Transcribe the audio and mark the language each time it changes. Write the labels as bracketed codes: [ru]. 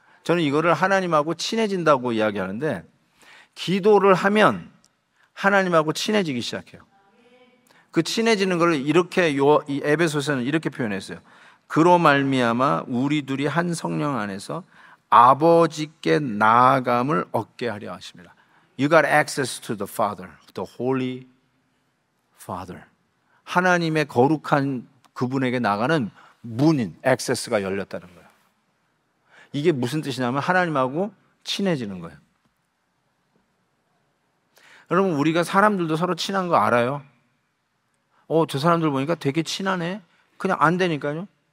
[ko] 저는 이거를 하나님하고 친해진다고 이야기하는데 기도를 하면 하나님하고 친해지기 시작해요. 그 친해지는 걸 이렇게 이 에베소서는 이렇게 표현했어요. 그로 말미암아 우리 둘이 한 성령 안에서 아버지께 나아감을 얻게 하려 하십니다. [en] You got access to the Father, the Holy Father. [ko] 하나님의 거룩한 그분에게 나가는 문인 액세스가 열렸다는 거예요. 이게 무슨 뜻이냐면 하나님하고 친해지는 거예요. 여러분 우리가 사람들도 서로 친한 거 알아요? 어, 저 사람들 보니까 되게 친하네. 그냥 안 되니까요.